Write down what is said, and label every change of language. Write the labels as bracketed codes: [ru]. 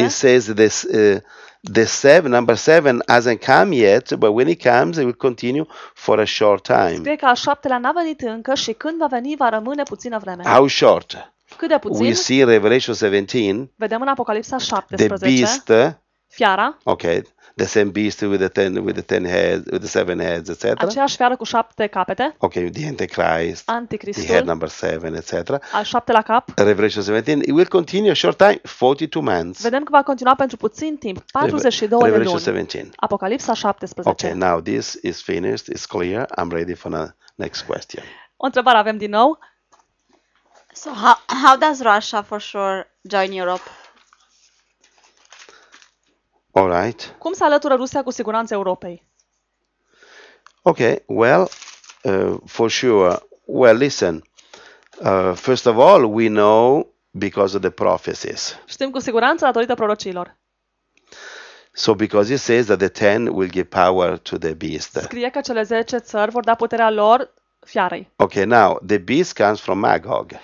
[en] It says this number 7 hasn't come yet, but when it comes, it will continue for a short time. [ro] Spune că al 7-lea n-a venit încă și când va veni, va rămâne puțină vreme. [en] How short? [ro] Cât de puțin? [en] We see in Revelation 17. [ro] Vedem în Apocalipsa 17. [en] The beast. [ro] Fiara. [en] Okay. The same beast with the seven heads, etc. [ro] Aceeași fiară cu 7 capete. [en] Okay, the Antichrist. [ro] Anticristul. [en] The head number 7, etc. [ro] Al 7-lea cap. [en] Revelation 17. It will continue a short time, 42 months. [ro] Vedem că va continua pentru puțin timp, 42 luni. [en] Revelation 17. [ro] Apocalipsa 17. [en] Okay, now this is finished, it's clear, I'm ready for the next question. [ro] O întrebare avem din nou. [en] So how does Russia for sure join Europe? All right. [ro] Cum se alătură Rusia cu siguranță Europei? [en] Okay, well, for sure. Well, listen. First of all, we know because of the prophecies. [ro] Știm cu siguranță datorită prorociilor. [en] So because it says that the ten will give power to the beast. [ro] Scrie că cele 10 țări vor da puterea lor fiarei. [en] Okay, now the beast comes from Magog.